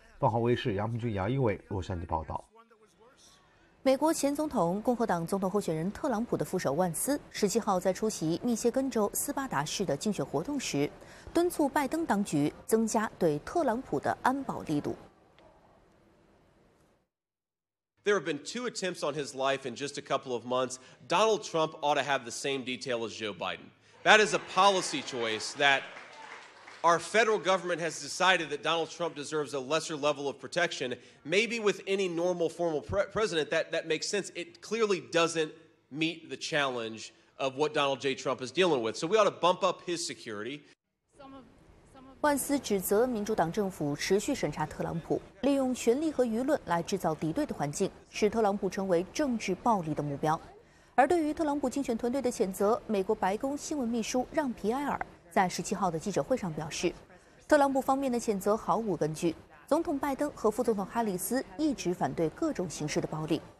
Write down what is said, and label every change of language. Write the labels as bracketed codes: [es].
[zh] 凤凰卫视杨平君、杨一伟洛杉矶报道。美国前总统、共和党总统候选人特朗普的副手万斯17号在出席密歇根州斯巴达市的竞选活动时，敦促拜登当局增加对特朗普的安保力度。 [en] There have been 2 attempts on his life in just a couple of months. Donald Trump ought to have the same detail as Joe Biden. That is a policy choice that our federal government has decided that Donald Trump deserves a lesser level of protection. Maybe with any normal formal president, that makes sense. It clearly doesn't meet the challenge of what Donald J. Trump is dealing with. So we ought to bump up his security. [zh] 万斯指责民主党政府持续审查特朗普，利用权力和舆论来制造敌对的环境，使特朗普成为政治暴力的目标。而对于特朗普竞选团队的谴责，美国白宫新闻秘书让皮埃尔在17号的记者会上表示，特朗普方面的谴责毫无根据，总统拜登和副总统哈里斯一直反对各种形式的暴力。